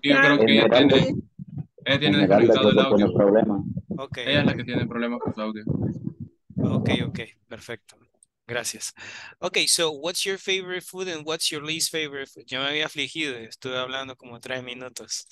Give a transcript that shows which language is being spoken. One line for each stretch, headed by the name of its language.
Spanish: Yo creo que ella tiene, desconectado el audio. Okay. Ella es la que tiene problemas con su audio. Okay, okay. Perfecto. Gracias.
English: Okay, so what's your favorite food and what's your least favorite food?
Spanish: Yo me había afligido, estuve hablando como 3 minutos.